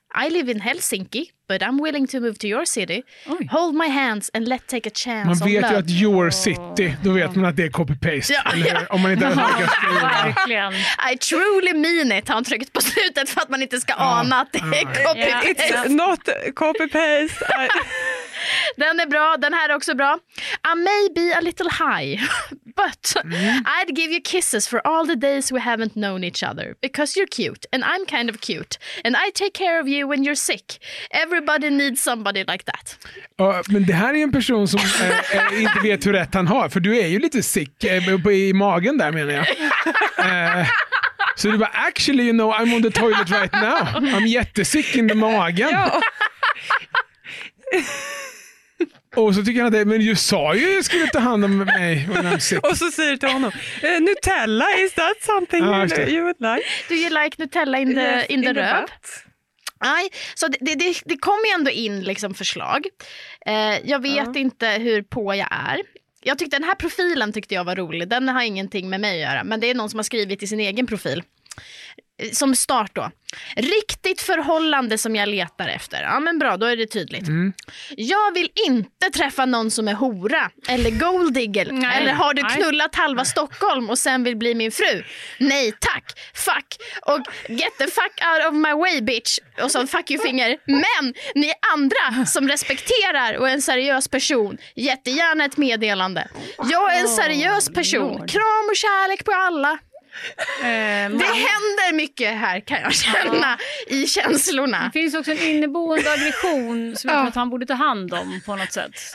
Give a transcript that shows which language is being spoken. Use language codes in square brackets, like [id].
[en] I live in Helsinki, but I'm willing to move to your city. Oj. Hold my hands and let's take a chance. [sv] Man vet [en] on [sv] ju att [en] your city, [sv] då vet man att det är copy-paste. Ja. Eller hur? Om man inte har lyckats skriva. [en] I truly mean it, [sv] har han tryckt på slutet för att man inte ska ana att det är copy-paste. [en] It's not copy-paste. [sv] Den är bra, den här är också bra. [en] I may be a little high, but I'd give you kisses for all the days we haven't known each other. Because you're cute, and I'm kind of cute. And I take care of you when you're sick. Everybody needs somebody like that. [sv] Men det här är en person som inte vet hur rätt han har. För du är ju lite sick i magen där, menar jag. Så du bara, [en] actually, you know, I'm on the toilet right now. I'm jättesick in the magen. [sv] Och så tycker han att men du sa ju att du skulle ta hand om mig. Och så säger du till honom, Nutella, [en] is that something you would like? Do you like Nutella in the, in the röv? [sv] Nej, så det kom ju ändå in liksom förslag. Jag vet inte hur på jag är. Jag tyckte den här profilen tyckte jag var rolig. Den har ingenting med mig att göra. Men det är någon som har skrivit i sin egen profil. Som start då. Riktigt förhållande som jag letar efter. Ja, men bra, då är det tydligt. Mm. Jag vill inte träffa någon som är hora eller golddigger. Eller har du knullat halva Stockholm och sen vill bli min fru? Nej, tack. Fuck. [en] Och get the fuck out of my way, bitch. [sv] Och så [en] fuck your finger. [sv] Men ni andra som respekterar och är en seriös person, jättegärna ett meddelande. Jag är en seriös person. Kram och kärlek på alla. Det händer mycket här kan jag känna i känslorna. Det finns också en inneboende aggression som jag tror att han borde ta hand om på något sätt.